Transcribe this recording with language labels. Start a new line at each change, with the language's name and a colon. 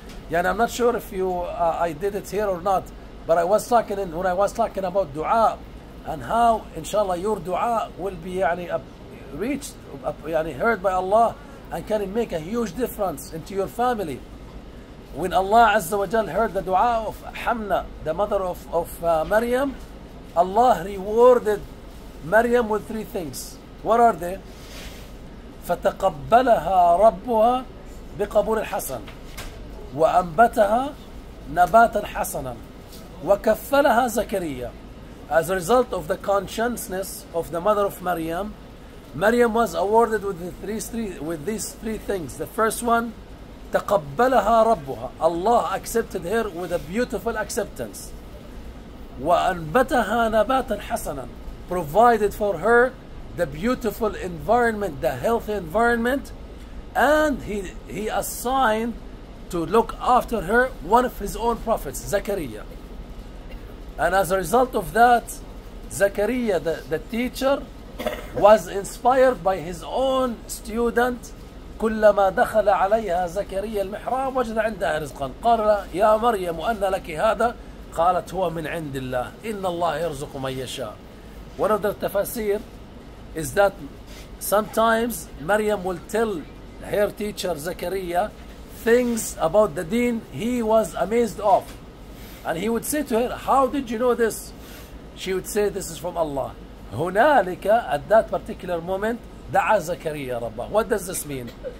English: يعني I'm not sure if you I did it here or not, but I was talking in, when I was talking about dua and how إن شاء الله your dua will be يعني reached يعني heard by Allah and can it make a huge difference into your family. When Allah Azza wa Jal heard the dua of Hamna, the mother of Maryam, Allah rewarded Maryam with three things. What are they?
Arabic: فتقبلها ربها بقبول حسن وأنبتها نباتا حسنا وكفلها زكريا.
English: As a result of the consciousness of the mother of Maryam, Maryam was awarded with these three things. The first one,
Arabic: تقبلها ربها.
English: Allah accepted her with a beautiful acceptance.
Arabic: وأنبتها نباتا حسنا,
English: provided for her the beautiful environment, the healthy environment, and he assigned to look after her one of his own prophets, Zakaria. And as a result of that, Zakaria, the teacher, was inspired by his own student.
Arabic: كلما دخل عليها زكريا المحراب وجد عندها رزقا قال يا مريم أن لك هذا قالت هو من عند الله إن الله يرزق من يشاء.
English: One of the تفسير is that sometimes Maryam will tell her teacher Zakaria things about the deen he was amazed of. And he would say to her, how did you know this? She would say, this is from Allah. Hunalika, at that particular moment, da'a Zakariya Rabbah. What does this mean?